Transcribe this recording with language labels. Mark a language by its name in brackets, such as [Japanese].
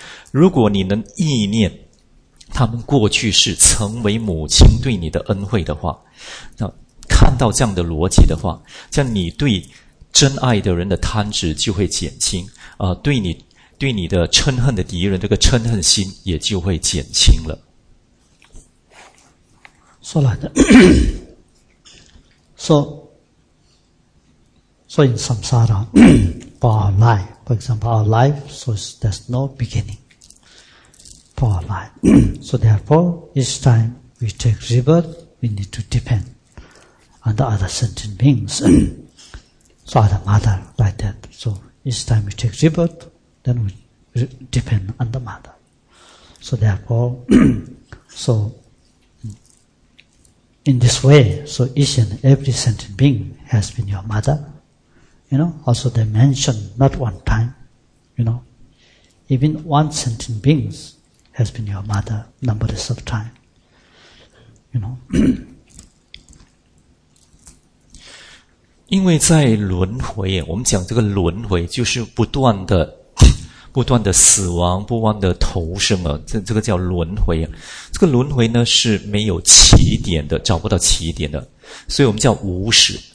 [Chinese] 如果你能意念他们过去是成为母亲对你的恩惠的话，那看到这样的逻辑的话，这样你对真爱的人的贪执就会减轻，对你的嗔恨的敌人这个嗔恨心也就会减轻了。说来的 [English] so in samsara for our life, for example our life, so there's no beginning for our life. So therefore each time we take rebirth, we need to depend on the other sentient beings. So other mother like that, so each time we take rebirth, then we depend on the mother, So therefore, so in this way, so each and every sentient being has been your mother. You know, also they mention not one time, you know, even one sentient being has been your mother numberless of time. You know. [Chinese] 因为在轮回，我们讲这个轮回就是不断的、不断的死亡、不断的投生啊，这个叫轮回。这个轮回呢是没有起点的，找不到起点的，所以我们叫无始。